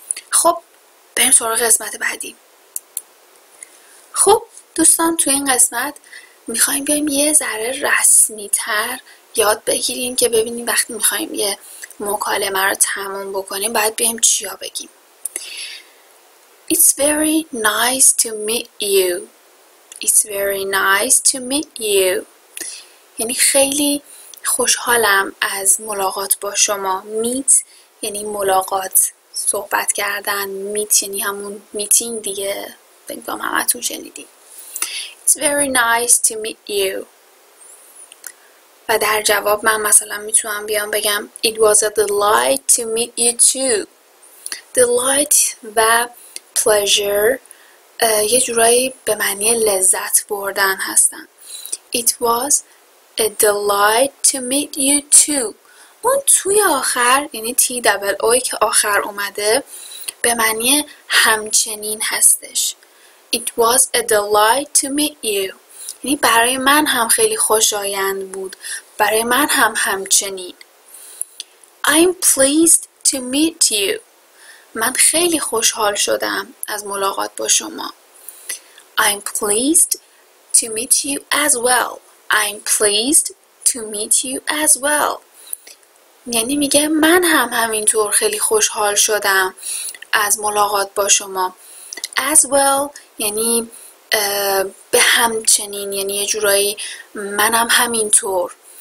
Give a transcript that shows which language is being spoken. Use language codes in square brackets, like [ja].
[fa] خب بریم سراغ قسمت بعدی. خب دوستان تو این قسمت میخوایم بیایم یه ذره رسمی تر یاد بگیریم که ببینیم وقتی میخوایم یه مکالمه رو تموم بکنیم باید بیایم چیا بگیم. [en] It's very nice to meet you. It's very nice to meet you. [fa] یعنی خیلی خوشحالم از ملاقات با شما. Meet یعنی ملاقات، صحبت کردن. Meet یعنی همون میتینگ دیگه. بگم همه تو شنیدی. [en] It's very nice to meet you. [fa] و در جواب من مثلا میتونم بیام بگم [en] It was a delight to meet you too. [fa] Delight و pleasure یه جورایی به معنی لذت بردن هستن. [en] It was a delight to meet you too. [fa] اون توی آخر یعنی TOO که آخر اومده به معنی همچنین هستش. [en] It was a delight to meet you. [fa] یعنی برای من هم خیلی خوشایند بود. برای من هم همچنین. [en] I'm pleased to meet you. [fa] من خیلی خوشحال شدم از ملاقات با شما. [en] I'm pleased to meet you as well. I'm pleased to meet you as well. [fa] یعنی میگه من هم همینطور خیلی خوشحال شدم از ملاقات با شما. As well یعنی به همچنین، یعنی یه جورایی منم همینطور.